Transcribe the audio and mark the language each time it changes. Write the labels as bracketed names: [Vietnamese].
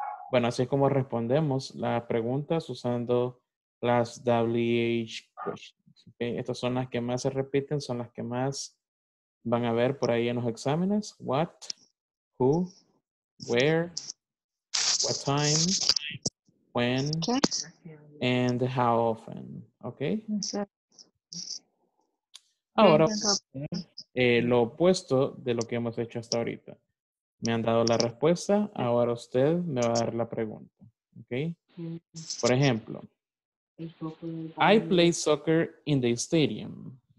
[Spanish] Bueno, así es como respondemos las preguntas usando las WH questions. Okay, estas son las que más se repiten, son las que más van a ver por ahí en los exámenes. [English] What, who, where, what time, when, and how often. Okay. [Spanish] Ahora, lo opuesto de lo que hemos hecho hasta ahorita. Me han dado la respuesta, ahora usted me va a dar la pregunta. Okay. Por ejemplo, [English] I play soccer in the stadium.